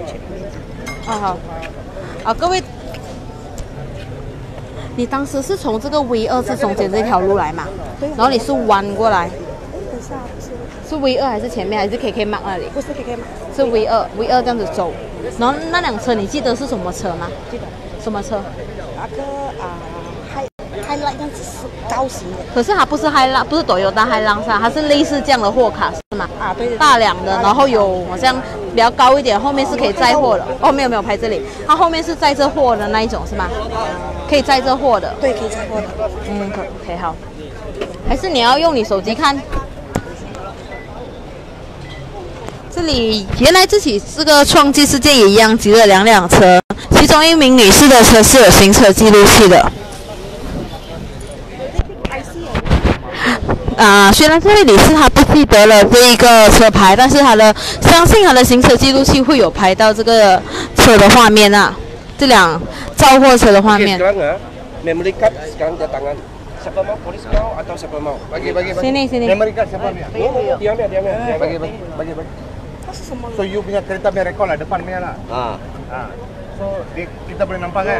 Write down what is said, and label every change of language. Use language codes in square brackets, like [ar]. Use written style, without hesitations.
[zh] 去。好。啊，各位，你当时是从这个 V 二是中间这条路来嘛？然后你是弯过来。是 V 二还是前面还是 KK Mark 那里？不是 KK Mark，是 V 二这样子走。然后那辆车你记得是什么车吗？记得。什么车？那个啊 ，High Line 样子是高型的。可是它不是 High Line， 不是 Toyota High Line 是吧？它是类似这样的货卡。啊，对的，大两的，然后有好像比较高一点，后面是可以载货的。哦，没有没有，拍这里，它后面是载着货的那一种是吗？可以载着货的。对，可以载货的。嗯，可以好。还是你要用你手机看？这里原来自己这个撞击事件也一样，急了两辆车，其中一名女士的车是有行车记录器的。啊，虽然这位女士她不记得了这一个车牌，但是她的相信她的行车记录器会有拍到这个车的画面啊，这辆造货车的画面。 [ms] Memory card sekarang di tangan. Siapa mau polis kau atau siapa mau? Bagi bagi bagi. Sini sini. Memory card siapa ni? Oh, dia ni dia ni. Bagi bagi bagi bagi. So you punya kereta punya rekod lah depan punya lah. So kita boleh nampak kan?